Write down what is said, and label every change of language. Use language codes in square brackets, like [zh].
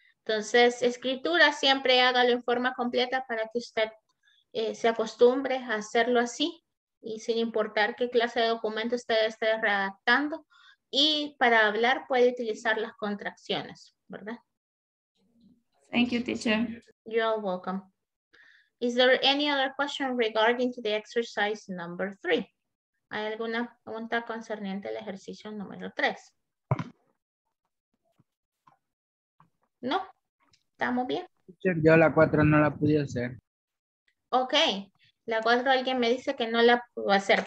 [es] Entonces, escritura siempre hágalo en forma completa para que usted se acostumbre a hacerlo así y sin importar qué clase de documento usted esté redactando y para hablar puede utilizar las contracciones, ¿verdad? [en] Thank you, teacher. You're welcome. Is there any other question regarding to the exercise number three? ¿Hay alguna pregunta concerniente al ejercicio número tres? [es] No, estamos bien. Teacher, yo la cuatro no la pude hacer. Ok, la 4 alguien me dice que no la puedo hacer.